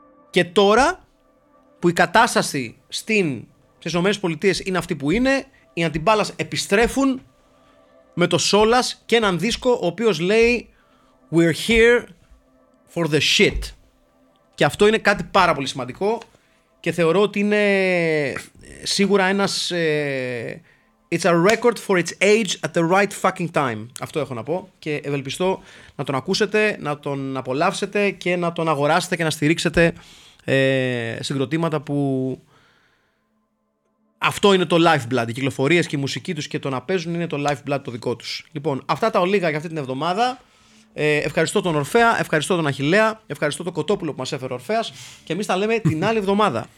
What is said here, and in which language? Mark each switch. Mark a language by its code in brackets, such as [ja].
[el] και τώρα που η κατάσταση στις ΗΠΑ είναι αυτή που είναι, οι Antiballas επιστρέφουν με το Solas και έναν δίσκο ο οποίος λέει [en] we're here for the shit, [el] και αυτό είναι κάτι πάρα πολύ σημαντικό. Και θεωρώ ότι είναι σίγουρα ένας [en] it's a record for its age at the right fucking time. [el] Αυτό έχω να πω και ευελπιστώ να τον ακούσετε, να τον απολαύσετε και να τον αγοράσετε και να στηρίξετε συγκροτήματα που αυτό είναι το lifeblood. Οι κυκλοφορίες και η μουσική τους και το να παίζουν είναι το lifeblood το δικό τους. Λοιπόν, αυτά τα ολίγα για αυτή την εβδομάδα. Ευχαριστώ τον Ορφέα, ευχαριστώ τον Αχιλλέα, ευχαριστώ τον Κοτόπουλο που μας έφερε ο Ορφέας, και εμείς τα λέμε την άλλη εβδομάδα.